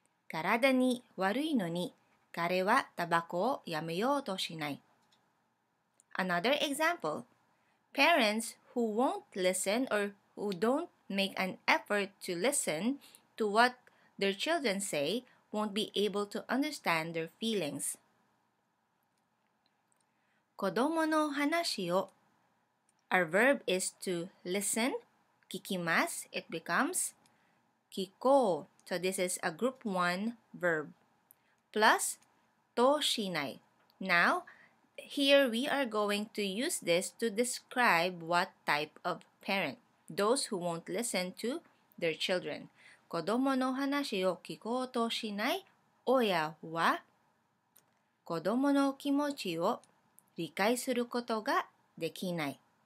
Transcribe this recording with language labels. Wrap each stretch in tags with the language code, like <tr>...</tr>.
<ja>体に悪いのに彼はタバコをやめようとしない。</ja> <en>Another example, parents who won't listen or who don't make an effort to listen to what their children say won't be able to understand their feelings.</en> <ja>子供の話を</ja> <en>Our verb is to listen</en> <ja>聞きます</ja> <en>It becomes</en> <ja>聞こう</ja> <en>So this is a group 1 verb plus</en> <ja>どうしない</ja> <en>Now, here we are going to use this to describe what type of parent those who won't listen to their children</en> <ja>子供の話を聞こうとしない親は子供の気持ちを理解することができない。</ja>